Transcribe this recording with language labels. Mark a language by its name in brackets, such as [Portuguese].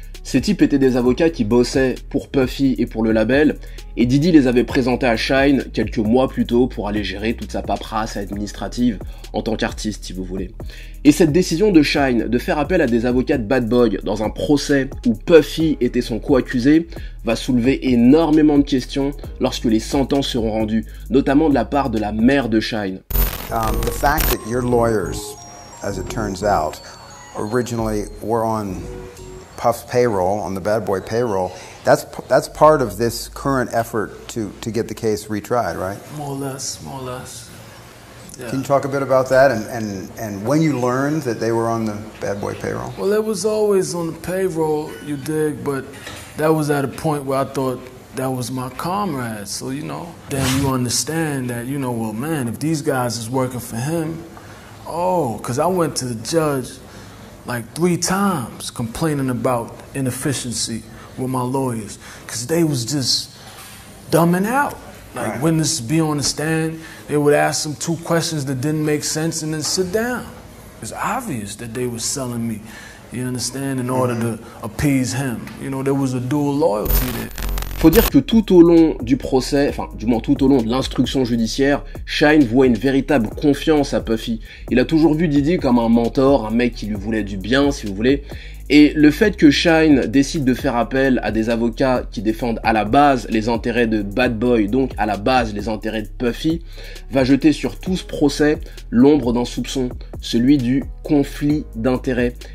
[French] Ces types étaient des avocats qui bossaient pour Puffy et pour le label, et Diddy les avait présentés à Shine quelques mois plus tôt pour aller gérer toute sa paperasse administrative en tant qu'artiste, si vous voulez. Et cette décision de Shine de faire appel à des avocats de Bad Boy dans un procès où Puffy était son co-accusé va soulever énormément de questions lorsque les sentences seront rendues, notamment de la part de la mère de Shine. [English] The fact that your lawyers, as it turns out, originally were on Puff's payroll, on the Bad Boy payroll, that's part of this current effort to get the case retried, right? More or less. Yeah. Can you talk a bit about that and when you learned that they were on the Bad Boy payroll? Well, it was always on the payroll, you dig, but that was at a point where I thought that was my comrade, so you know. Then you understand that, you know, well, man, if these guys is working for him, oh, because I went to the judge like 3 times complaining about inefficiency with my lawyers because they was just dumbing out. Like, right. Witnesses be on the stand, they would ask them 2 questions that didn't make sense and then sit down. It's obvious that they were selling me, you understand, in order to appease him. You know, there was a dual loyalty there. [French] Faut dire que tout au long du procès, enfin du moins tout au long de l'instruction judiciaire, Shine voit une véritable confiance à Puffy. Il a toujours vu Diddy comme un mentor, un mec qui lui voulait du bien, si vous voulez. Et le fait que Shine décide de faire appel à des avocats qui défendent à la base les intérêts de Bad Boy, donc à la base les intérêts de Puffy, va jeter sur tout ce procès l'ombre d'un soupçon, celui du conflit d'intérêts.